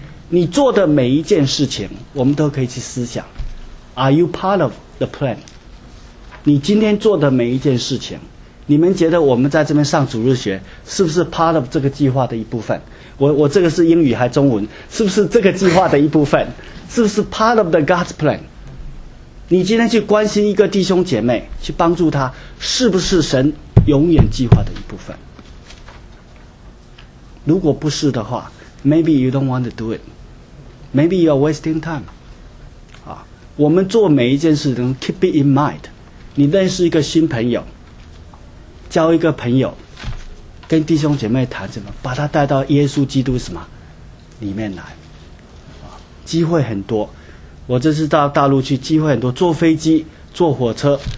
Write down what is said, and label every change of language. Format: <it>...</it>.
<zh>你做的每一件事情我们都可以去思想，</zh> <en>Are you part of the plan？</en> <zh>你今天做的每一件事情，你们觉得我们在这边上主日学是不是 part of 这个计划的一部分？我这个是英语还中文，是不是这个计划的一部分？是不是</zh> <en>part of the God's plan？</en> <zh>你今天去关心一个弟兄姐妹，去帮助他，是不是神永远计划的一部分？如果不是的话，</zh> <en>Maybe you don't want to do it， Maybe you are wasting time。</en> <zh>我们做每一件事都</zh> <en>keep it in mind。</en> <zh>你认识一个新朋友，交一个朋友，跟弟兄姐妹谈什么，把他带到耶稣基督什么里面来，机会很多。我这次到大陆去，机会很多，坐飞机、坐火车。</zh>